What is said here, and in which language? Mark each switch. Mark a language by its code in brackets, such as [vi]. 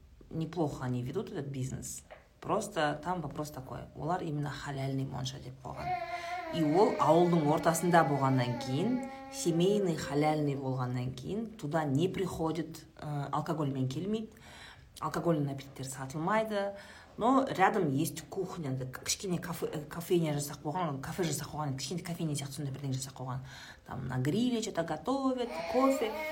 [ru] Неплохо они ведут этот бизнес. Просто там вопрос такой. [kk] Олар именно халяльный монша деп қойған. И ол ауылдың ортасында болғаннан кейін, семейный халяльный болғаннан кейін, [ru] туда не приходит, [kk] алкогольмен келмейді. Алкогольный напиттер сатылмайды. [ru] Но рядом есть кухня, да, [kk] кішкене кафе жасақ болған, кафе жасақ болған, кішкене кафе сияқты сондай бірдеңе жасақ болған. [ru] Там на гриле что-то готовят, кофе.